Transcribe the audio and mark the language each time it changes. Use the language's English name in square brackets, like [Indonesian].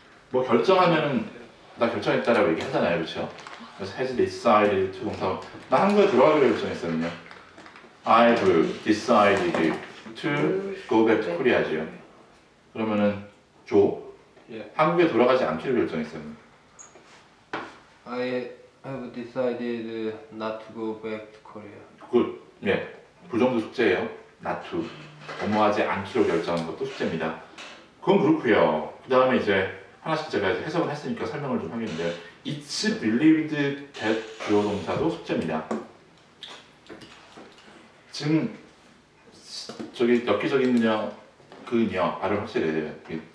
[Korean] 뭐 결정하면은 나 결정했다라고 얘기하잖아요. 그쵸? 그래서 [English] has decided to [Korean] 동사 원형. 나 한국에 들어가기로 결정했었는데요. [English] I've decided to go back to Korea죠. [Korean] 그러면은 조 한국에 돌아가지 않기로 결정했었는데. [English] I have decided not to go back to Korea. Good. [Korean] 예. 부정도 숙제예요. Not to. 도모하지 않기로 결정한 것도 숙제입니다. 그건 그렇고요. 그 다음에 이제 하나씩 제가 해석을 했으니까 설명을 좀 하겠는데요. [English] It's believed that [Korean] 주어 동사도 숙제입니다. 지금 저기 역기적인 그녀, 그녀 발음 확실해야 돼요.